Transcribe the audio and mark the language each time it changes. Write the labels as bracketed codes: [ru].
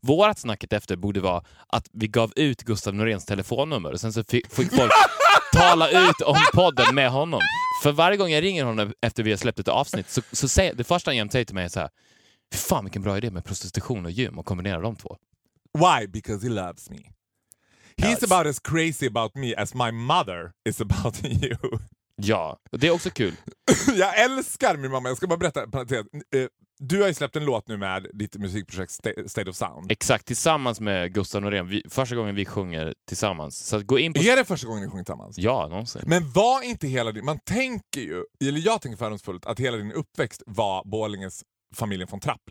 [sv] Vårat snacket efter borde vara att vi gav ut Gustav Noréns telefonnummer och sen så fick folk tala ut om podden med honom. För varje gång jag ringer honom efter vi har släppt ett avsnitt så säger det första han jämt säger till mig är så här: fan vilken bra idé med prostitution och gym och kombinera de två. [en] Why? Because he loves me. He's about as crazy about me as my mother is about you. [sv] Ja, det är också kul. Jag älskar min mamma. Jag ska bara berätta. Du har ju släppt en låt nu med ditt musikprojekt State of Sound. Exakt, tillsammans med Gustav Norén. Första gången vi sjunger tillsammans. Så att gå in på... Är det första gången ni sjunger tillsammans? Ja, någonsin. Men var inte hela din... Man tänker ju, eller jag tänker fördomsfullt, att hela din uppväxt var Borlänges familjen från Trapp.